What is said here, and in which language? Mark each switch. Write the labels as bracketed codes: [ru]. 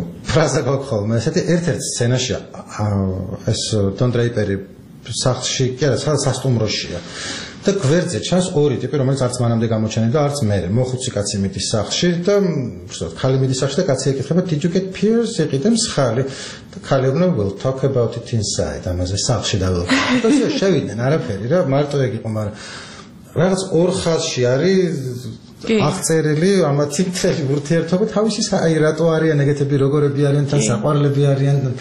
[ka] ფრაზა გვაქვს ხოლმე, ესეთი ერთ-ერთი სცენაშია ეს დონ დრეიპერი სახლში, კი არა, სასტუმროშია. და გვერდზე ჩანს ორი ტიპი, რომელიც არც მანამდე გამოჩენილი და არც მერე. მოხუცი კაცი მიდის სახლში და ვთქვათ, ქალი მიდის სახლში და კაცი ეკითხება, [en] "Did you get pierced?" [ka] ეკითხება ხალი. და ქალი უბრალოდ, [en] "We'll talk about it inside." [ka] ამაზე სახლში დავალ. და ისე შევიდნენ, არაფერი რა, მარტო ეგ იყო, მაგრამ რაღაც ორ ხაზში არის აღწერილი ამათი მთელი ურთიერთობა თავისი, აი რატო არიან ეგეთები, როგორები არიან თან საყვარლები არიან.